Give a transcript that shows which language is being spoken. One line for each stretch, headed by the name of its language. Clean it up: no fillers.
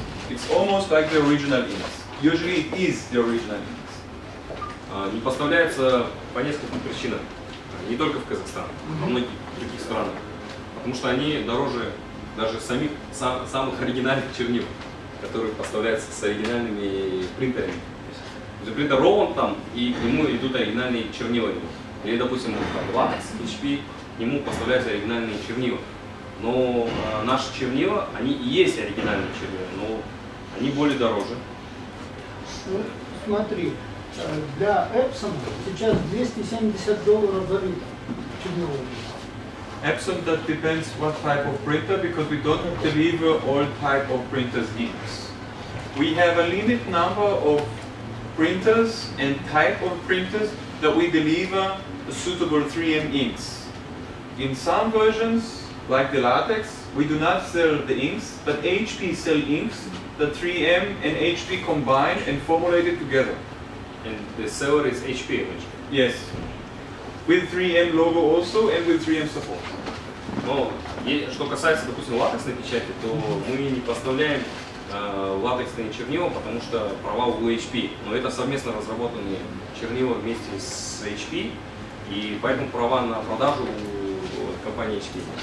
English: It's almost like the original inks. Usually it is the original inks.
Russian: Не поставляется по нескольким причинам. Не только в Казахстан, во многих других странах. Потому что они дороже даже самих самых оригинальных чернил, которые поставляются с оригинальными принтерами. То есть принтер Rowan там, и к нему идут оригинальные чернила. Или, допустим, Lux, HP, к нему поставляются оригинальные чернила. Но наши чернила, они и есть оригинальные чернила, но они более дороже. Вот смотри, для Epson сейчас $270 за литр чернила.
English: Epson, that depends what type of printer, because we don't deliver all type of printers inks. We have a limited number of printers and type of printers that we deliver suitable 3M inks. In some versions, like the latex, we do not sell the inks, but HP sell inks that 3M and HP combine and formulate it together. And the seller is HP eventually. Yes. With 3M logo also and with 3M support.
Russian: Но что касается, допустим, латексной печати, то мы не поставляем латексные чернила, потому что права у HP. Но это совместно разработанные чернила вместе с HP, и поэтому права на продажу у компании HP.